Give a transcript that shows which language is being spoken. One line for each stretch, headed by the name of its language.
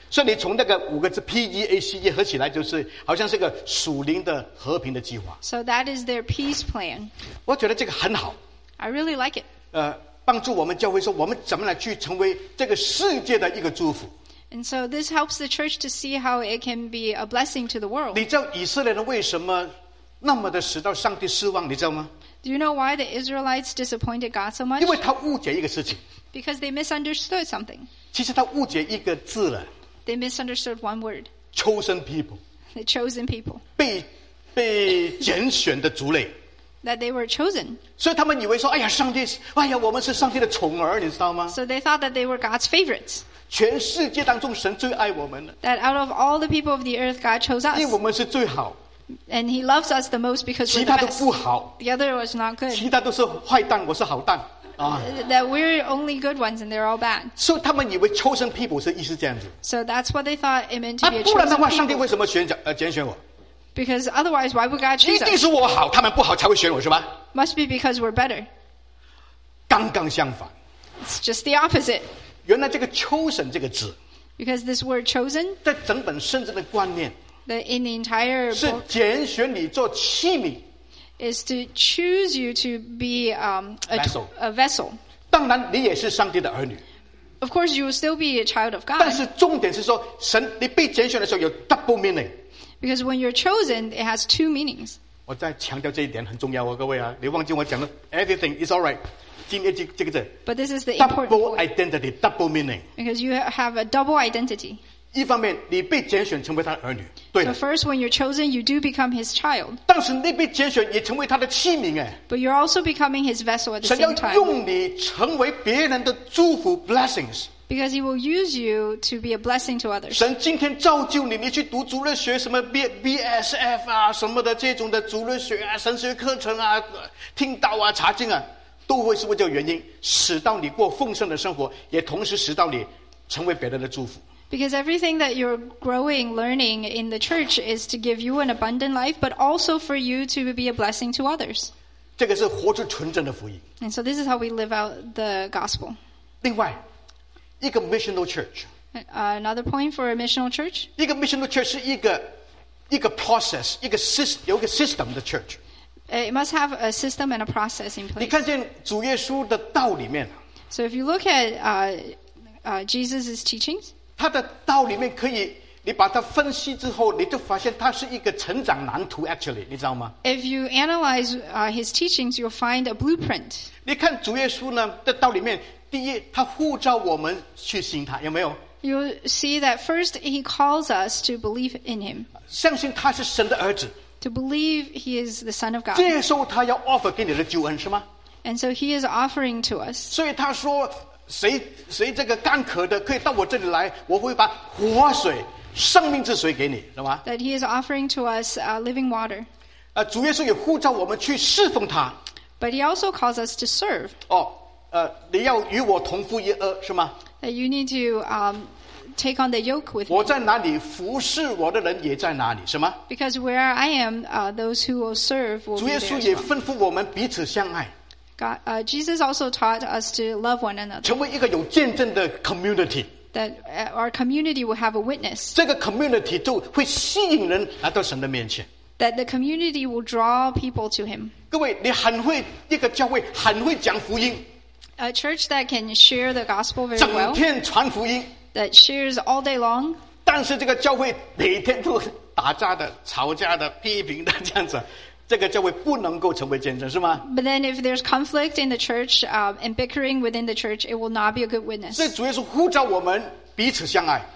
Chinese: 所以你从那个五个字 P E A C E 合起来，就是好像是个属灵的和平的计划。
English: So that is their peace plan.
Chinese: 我觉得这个很好。
English: I really like it.
Chinese: 帮助我们教会说，我们怎么来去成为这个世界的一个祝福。
English: And so this helps the church to see how it can be a blessing to the world.
Chinese: 你知道以色列人为什么那么的使到上帝失望？你知道吗
English: ？Do you know why the Israelites disappointed God so much?
Chinese: 因为他误解一个事情。
English: Because they misunderstood something.
Chinese: 其实他误解一个字了。
English: They misunderstood one word. Chosen people. The chosen people.
Chinese: 被拣选的族类。
English: That they were chosen.
Chinese: 所以他们以为说，哎呀，上帝，哎呀，我们是上帝的宠儿，你知道吗
English: ？So they thought that they were God's favorites.
Chinese: 全世界当中，神最爱我们了。
English: That out of all the people of the earth, God chose us.
Chinese: 因为我们是最好。
English: And He loves us the most because we're the best.
Chinese: 其他都不好。
English: The other was not good.
Chinese: 其他都是坏蛋，我是好蛋。
English: That we're only good ones and they're all bad. So they thought chosen people
Chinese: 是意思这样子。
English: So that's what they thought it meant to be a chosen people.
Chinese: 不然的话，上帝为什么拣选我
English: ？Because otherwise, why would God choose us?
Chinese: 一定是我好，他们不好才会选我，是吧
English: ？Must be because we're better.
Chinese: 刚刚相反。
English: It's just the opposite.
Chinese: 原来这个 chosen 这个字
English: ，because this word chosen
Chinese: 在整本圣经的观念
English: ，that in the entire
Chinese: 是拣选你做器皿。
English: Is to choose you to be a vessel.
Chinese: 当然，你也是上帝的儿女。
English: Of course, you will still be a child of God.
Chinese: 但是重点是说，神，你被拣选的时候有 double meaning.
English: Because when you're chosen, it has two meanings.
Chinese: 我再强调这一点很重要哦，各位啊，你忘记我讲的
English: everything is all right.
Chinese: 今天这个字。
English: But this is the important point. Double identity, double meaning. Because you have a double identity.
Chinese: 一方面，你被拣选成为他的儿女。
English: So first, when you're chosen, you do become his child.
Chinese: 但是你被拣选也成为他的器皿哎。
English: But you're also becoming his vessel at the same time.
Chinese: 神要用你成为别人的祝福 blessings.
English: Because he will use you to be a blessing to others.
Chinese: 神今天造就你，你去读主日学什么 BSF 啊什么的这种的主日学啊神学课程啊听道啊查经啊，都会是为这个原因，使到你过丰盛的生活，也同时使到你成为别人的祝福。
English: Because everything that you're growing, learning in the church is to give you an abundant life, but also for you to be a blessing to others.
Chinese: 这个是活出纯正的福音。
English: And so this is how we live out the gospel.
Chinese: 另外，一个 missional church.
English: Another point for a missional church.
Chinese: 一个 missional church 是一个 process, 一个 system, 有一个 system 的 church.
English: It must have a system and a process in place.
Chinese: 你看见主耶稣的道里面。
English: So if you look at Jesus' teachings.
Chinese: 他的道里面可以，你把它分析之后，你就发现它是一个成长蓝图 ，actually， 你知道吗
English: ？If you analyze his teachings, you'll find a blueprint.
Chinese: 你看主耶稣呢的道里面，第一，他呼召我们去信他，有没有
English: ？You'll see that first he calls us to believe in him.
Chinese: 相信他是神的儿子。
English: To believe he is the son of God.
Chinese: 接受他要 offer 给你的救恩是吗
English: And so he is offering to us.
Chinese: 所以他说，谁这个干渴的可以到我这里来，我会把活水、生命之水给你，是吧？
English: That he is offering to us living water.
Chinese: 主耶稣也呼召我们去侍奉他。
English: But he also calls us to serve.
Chinese: 哦，你要与我同父一轭，是吗？
English: That you need to take on the yoke with me.
Chinese: 我在哪里，服侍我的人也在哪里，是吗？
English: Because where I am, those who will serve will be there as well.
Chinese: 主耶稣也吩咐我们彼此相爱。
English: Jesus also taught us to love one another.
Chinese: 成为一个有见证的 community.
English: That our community will have a witness.
Chinese: 这个 community 就会吸引人来到神的面前。
English: That the community will draw people to him.
Chinese: 各位，你很会一个教会很会讲福音。
English: A church that can share the gospel very well.
Chinese: 整天传福音。
English: That shares all day long.
Chinese: 但是这个教会每天都打架的、吵架的、批评的这样子。这个教会不能够成为见证，是吗？
English: But then if there's conflict in the church, and bickering within the church, it will not be a good witness.
Chinese: 所以主耶稣呼召我们彼此相爱。